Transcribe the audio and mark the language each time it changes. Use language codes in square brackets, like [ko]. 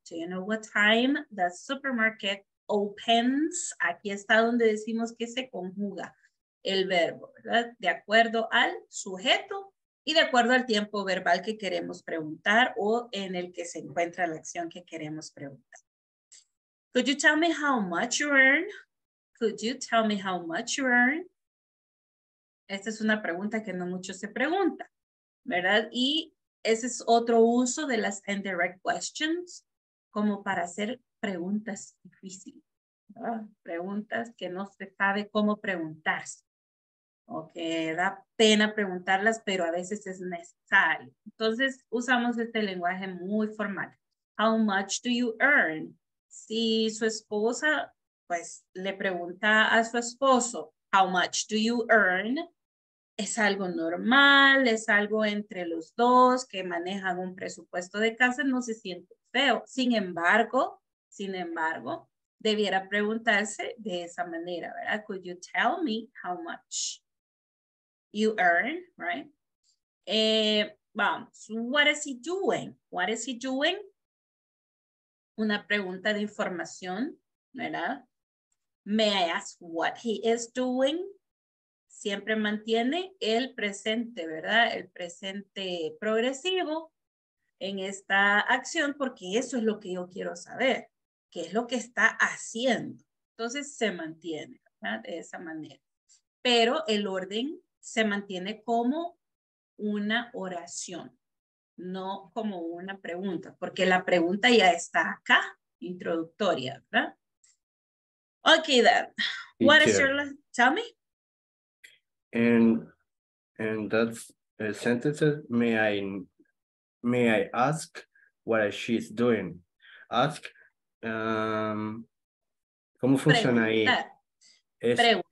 [en] Do you know what time the supermarket opens? [es] Aquí está donde decimos que se conjuga el verbo, ¿verdad? De acuerdo al sujeto y de acuerdo al tiempo verbal que queremos preguntar o en el que se encuentra la acción que queremos preguntar. [en] Could you tell me how much you earn? Could you tell me how much you earn? [es] Esta es una pregunta que no mucho se pregunta, ¿verdad? Y ese es otro uso de las [en] indirect questions, [es] como para hacer preguntas difíciles, ¿verdad? Preguntas que no se sabe cómo preguntarse, o que da pena preguntarlas, pero a veces es necesario. Entonces, usamos este lenguaje muy formal. [en] How much do you earn? [es] Si su esposa, pues, le pregunta a su esposo, [en] how much do you earn? [es] Es algo normal, es algo entre los dos que manejan un presupuesto de casa, no se siente feo. Sin embargo, debiera preguntarse de esa manera, ¿verdad? [en] Could you tell me how much you earn, right? Vamos, what is he doing? What is he doing? [es] Una pregunta de información, ¿verdad? [en] May I ask what he is doing? [es] Siempre mantiene el presente, ¿verdad? El presente progresivo en esta acción, porque eso es lo que yo quiero saber. ¿Qué es lo que está haciendo? Entonces se mantiene, ¿verdad? De esa manera. Pero el orden se mantiene como una oración, no como una pregunta, porque la pregunta ya está acá, introductoria, ¿verdad? [en] Okay, then. What is your last? Tell me. And that sentence, may I ask what she's doing? [es] Ask, ¿cómo funciona preguntar ahí? Es, preguntar.